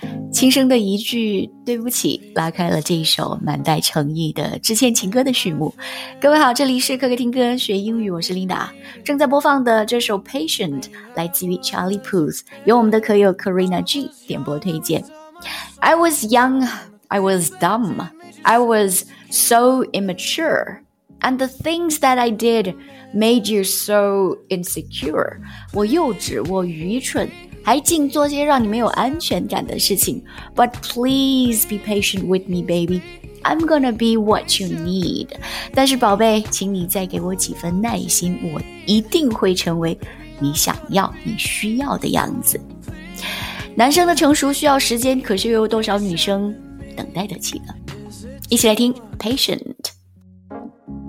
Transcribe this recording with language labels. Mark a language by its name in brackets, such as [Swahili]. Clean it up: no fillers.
[Chinese] 轻声的一句对不起拉开了这一首满带诚意的致歉情歌的序幕。各位好，这里是可可听歌学英语，我是 Linda。正在播放的这首 Patient 来自于 Charlie Puth， 由我们的可友 Karina G 点播推荐。 [English] I was young, I was dumb, I was so immature, and the things that I did made you so insecure. [Chinese] 我幼稚，我愚蠢，还竟做些让你没有安全感的事情。 [English] But please be patient with me, baby. I'm gonna be what you need. [Chinese] 但是宝贝，请你再给我几分耐心，我一定会成为你想要、你需要的样子。男生的成熟需要时间，可是又有多少女生等待得起呢？一起来听 Patient。